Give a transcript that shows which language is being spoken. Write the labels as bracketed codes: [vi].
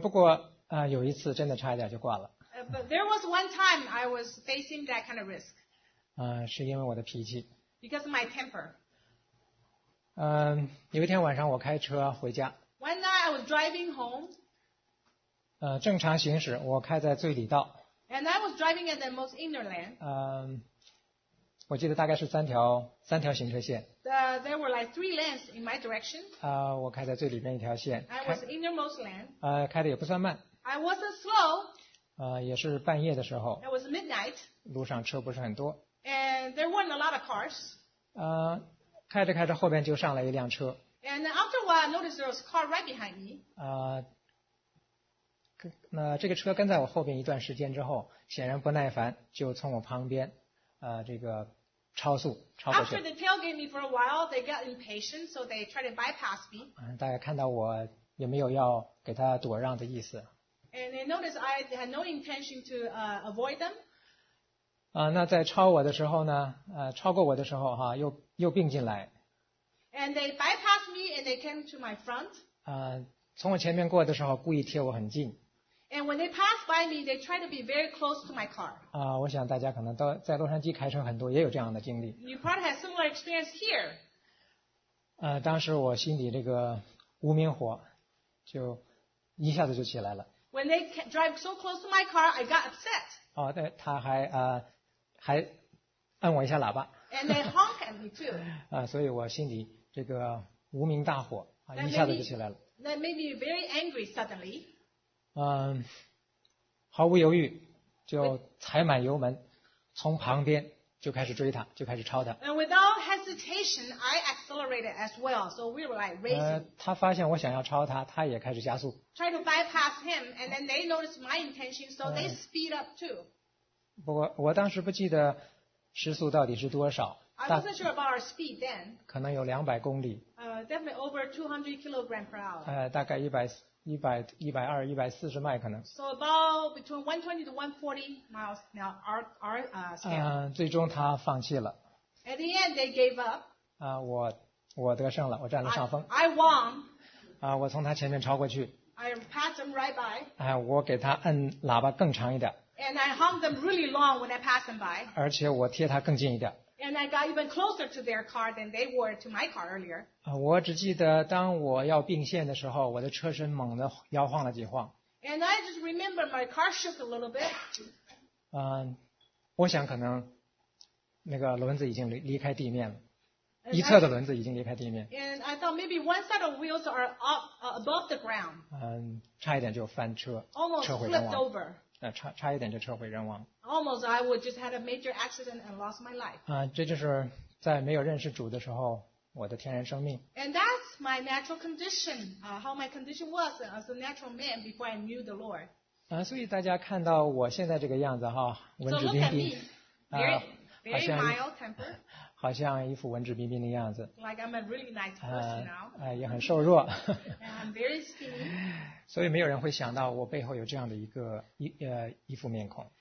[zh] 不过有一次真的差一点就挂了。 [en] But there was one time I was facing that kind of risk. [zh] 是因为我的脾气。 [en] Because of my temper. [zh] 有一天晚上我开车回家。 [en] One night I was driving home. [zh] 正常行驶，我开在最里道。 [en] And I was driving at the most inner lane. [zh] 我记得大概是三条行车线。 [en] There were like three lanes in my direction. [zh] 我开在最里面一条线。 [en] I was innermost lane. [zh] 开的也不算慢。 [en] I wasn't slow. [zh] 也是半夜的时候。 [en] It was midnight. [zh] 路上车不是很多。 [en] And there weren't a lot of cars. [zh] 开着开着，后边就上来一辆车。 [en] And after a while, I noticed there was a car right behind me. [zh] 那这个车跟在我后边一段时间之后，显然不耐烦，就从我旁边。这个超速超过去。 [en] After they tailgate me for a while, they got impatient, so they tried to bypass me. [zh] 大家看到我也没有要给他躲让的意思。 [en] And they noticed I had no intention to avoid them. [zh] 那在超我的时候呢？超过我的时候哈，又并进来。 [en] And they bypassed me and they came to my front. [zh] 从我前面过的时候，故意贴我很近。 [en] And when they pass by me, they try to be very close to my car. [zh] 我想大家可能都在洛杉矶开车很多，也有这样的经历。 [en] You probably have similar experience here. [zh] 当时我心里这个无名火就一下子就起来了。 [en] When they drive so close to my car, I got upset. [zh] 对，他还按我一下喇叭。 [en] And they honk at me too. [zh] 所以我心里这个无名大火一下子就起来了。 [en] That made me very angry suddenly. [zh] 毫无犹豫就踩满油门，从旁边就开始追他，就开始超他。 [en] And without hesitation, I accelerated as well, so we were like racing. [zh] 他发现我想要超他，他也开始加速。 [en] Try to bypass him, and then they noticed my intention, so they speed up too. [zh] 不过我当时不记得时速到底是多少。 [en] I wasn't sure about our speed then. [zh] 可能有200公里。 [en] Definitely over 200 kilograms per hour. [zh] 大概120-140迈可能。 [en] So about between 120 to 140 miles now our scale. [zh] 最终他放弃了。 [en] At the end they gave up. [zh] 我得胜了，我占了上风。 [en] I won. [zh] 我从他前面超过去。 [en] I passed them right by. [zh] 我给他按喇叭更长一点。 [en] And I honked them really long when I passed them by. [zh] 而且我贴他更近一点。 [en] And I got even closer to their car than they were to my car earlier. [zh] 我只记得当我要并线的时候，我的车身猛地摇晃了几晃。 [en] And I just remember my car shook a little bit. [zh] 我想可能那个轮子已经离开地面了，一侧的轮子已经离开地面。 [en] And I thought maybe one set of wheels are up above the ground. [zh] 差一点就翻车， [en] almost flipped over. [zh] 差一点就车毁人亡。 [en] Almost, I would just had a major accident and lost my life. [zh] 这就是在没有认识主的时候我的天然生命。 [en] And that's my natural condition, how my condition was as a natural man before I knew the Lord. [zh] 所以大家看到我现在这个样子哈，文质彬彬。 [en] So look at me, very mild temper. [zh] 好像一副文质彬彬的样子。 [en] Like I'm a really nice person now. [zh] 也很瘦弱。 [en] And I'm very skinny. [zh] 所以没有人会想到我背后有这样的一副面孔。